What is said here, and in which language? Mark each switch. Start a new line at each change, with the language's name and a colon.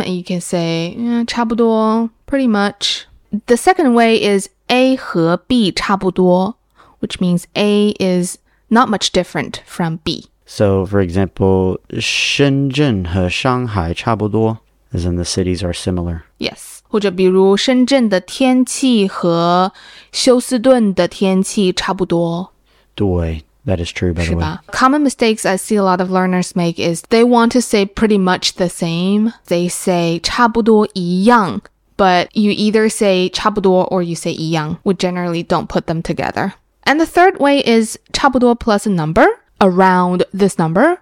English: And you can say, yeah, 差不多, pretty much. The second way is A 和 B 差不多, which means A is not much different from B. So, for example,
Chinese: 深圳和上海差不多,
English: as in the cities are similar. Yes.
Chinese: 或者比如深圳的天气和休斯顿的天气差不多。
English: 对, that is true, by the way. Common mistakes I see a lot of learners make is they want to say pretty much the same. They say 差不多一样, but you either say 差不多 or you say 一样. We generally don't put them together. And the third way is 差不多 plus a number, around this number.